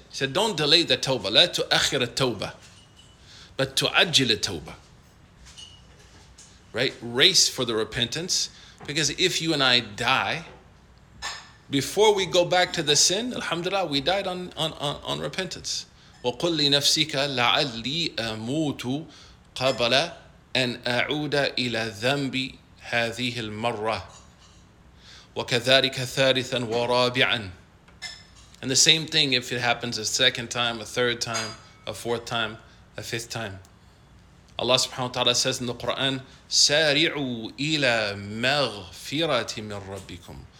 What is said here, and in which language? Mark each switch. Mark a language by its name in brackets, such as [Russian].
[English] He said, don't delay the tawbah. [Arabic] لَا تُؤَخِّرَ التَّوْبَةِ [English] but to ajil tawbah, right? Race for the repentance. Because if you and I die before we go back to the sin, alhamdulillah, we died on repentance. [Arabic] وقل لنفسك لعلي أموت قبل أن أعود إلى ذنبي هذه المرة. وكذلك ثالثا ورابعا. [English] And the same thing if it happens a second time, a third time, a fourth time, a fifth time. Allah subhanahu wa ta'ala says in the Quran, [Arabic] سارعوا إلى مغفرة من ربكم.